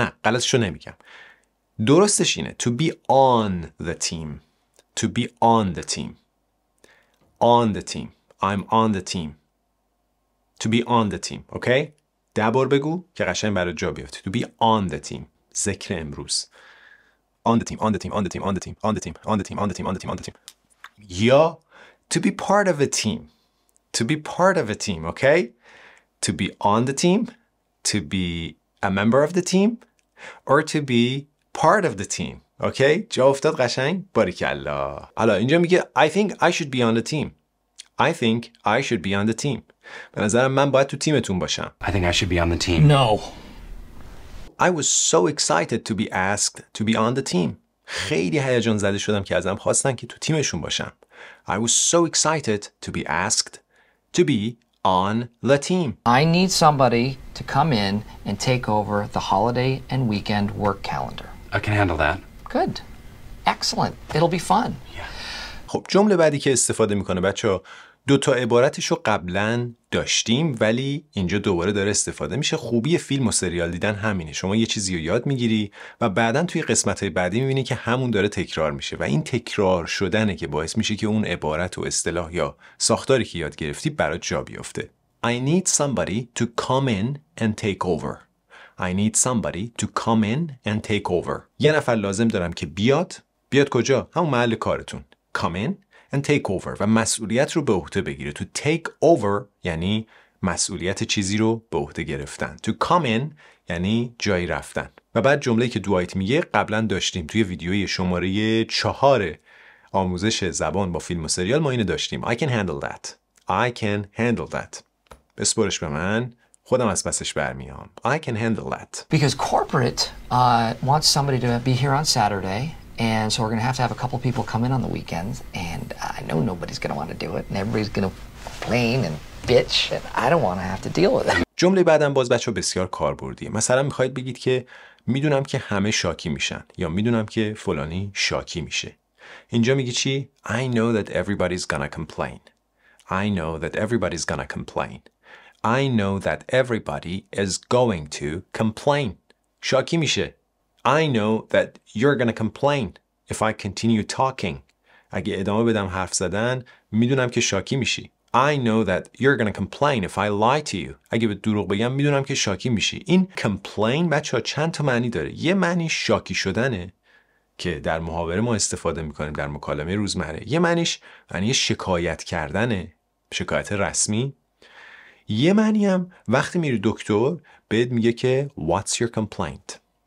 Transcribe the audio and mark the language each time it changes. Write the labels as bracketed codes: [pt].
[fa] نه غلطشو نمیگم. درستش اینه [en] to be on the team. To be on the team. On the team. I'm on the team. To be on the team, okay? [fa] ده بار بگو که قشنگ برات جا بیفته. [en] To be on the team. [fa] ذکر امروز. [en] On the team, on the team, on the team, on the team, on the team, on the team, on the team, on the team, on the team. یا to be part of a team. To be part of a team, okay? To be on the team, to be a member of the team, or to be part of the team, okay? [fa] جا افتاد قشنگ. باریکالله. حالا اینجا میگه [en] I think I should be on the team. I think I should be on the team. [fa] به نظرم من باید تو تیمتون باشم. [en] I think I should be on the team. No. I was so excited to be asked to be on the team. خیلی هیجان زده شدم که ازم خواستن که تو تیمشون باشم. I was so excited to be asked to be on the team. I need somebody to come in and take over the holiday and weekend work calendar. I can handle that. Good. Excellent. It'll be fun. Yeah. [fa] خب جمله بعدی که استفاده میکنه بچه‌ها دو تا عبارتشو قبلا داشتیم ولی اینجا دوباره داره استفاده میشه. خوبی فیلم و سریال دیدن همینه. شما یه چیزی رو یاد میگیری و بعداً توی قسمت‌های بعدی میبینی که همون داره تکرار میشه و این تکرار شدنه که باعث میشه که اون عبارت و اصطلاح یا ساختاری که یاد گرفتی برات جا بیفته. [en] I need somebody to come in and take over. I need somebody to come in and take over. [fa] یه نفر لازم دارم که بیاد. بیاد کجا؟ همون محل کارتون. [en] Come in and take over [fa] و مسئولیت رو به عهده بگیره. [en] To take over [fa] یعنی مسئولیت چیزی رو به عهده گرفتن. [en] To come in [fa] یعنی جایی رفتن. و بعد جمله‌ای که دوایت میگه قبلا داشتیم توی ویدیوی شماره 4 آموزش زبان با فیلم و سریال ما اینو داشتیم. [en] I can handle that. I can handle that. [fa] بسپرش به من. خودم از پسش برمیام. [en] I can handle that. Because corporate wants somebody to be here on Saturday. And so we're going to have a couple people come in on the weekends, and I know nobody's going to want to do it, and everybody's going to complain and bitch, and I don't want to have to deal with it. [fa] جمله بعدم باز بچه‌ها بسیار کاربردیه. مثلا میخواید بگید که میدونم که همه شاکی میشن یا میدونم که فلانی شاکی میشه. اینجا میگی چی؟ [en] I know that everybody's going to complain. I know that everybody's going to complain. I know that everybody is going to complain. [fa] شاکی میشه. [en] I know that you're gonna complain if I continue talking. [fa] اگه ادامه بدم حرف زدن میدونم که شاکی میشی. [en] I know that you're gonna complain if I lie to you. [fa] اگه به دروغ بگم میدونم که شاکی میشی. این complain بچه ها چند تا معنی داره. یه معنی شاکی شدنه که در محاوره ما استفاده میکنیم در مکالمه روزمره. یه معنیش معنی شکایت کردنه. شکایت رسمی. یه معنی هم وقتی میری دکتر بهت میگه که [en] What's your complaint?